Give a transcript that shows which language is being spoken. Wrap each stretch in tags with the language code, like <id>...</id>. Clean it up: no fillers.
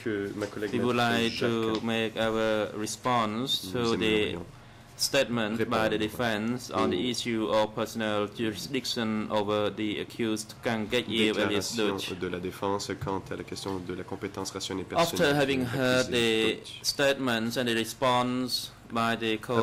<en>We would like to make our response to the statement by the defense on the issue of personal jurisdiction over the accused Kang Gaiyev alias Doge.</en> <fr>De la défense quant à la question de la compétence rationnée personnelle.</fr> <en>After having heard the statements and the response by the</en>